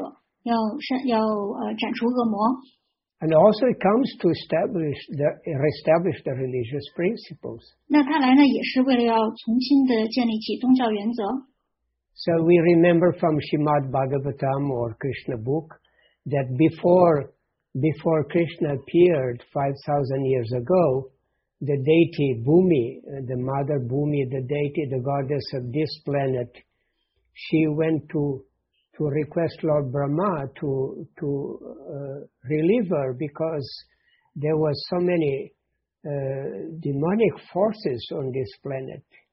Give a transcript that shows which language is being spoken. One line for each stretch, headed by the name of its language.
Chinese: 那它其中一个原因呢，是为了要解救虔诚的奉献者，要斩除恶魔。
English: And also it comes to reestablish the religious principles.
Chinese: 那他来呢也是为了要重新的建立起宗教原则。
English: So we remember from Srimad Bhagavatam or Krishna book that before Krishna appeared 5,000 years ago, the deity Bhumi, the mother Bhumi, the deity, the goddess of this planet, she went to request Lord Brahma to relieve her because there were so many demonic forces on this planet.